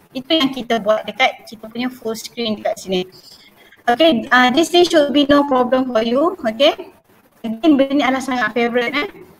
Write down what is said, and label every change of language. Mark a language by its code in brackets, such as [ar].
[ms] Itu yang kita buat dekat kita punya full screen dekat sini. [en] Okay, this thing should be no problem for you. [ms] Okay, again benda ni adalah sangat favourite eh.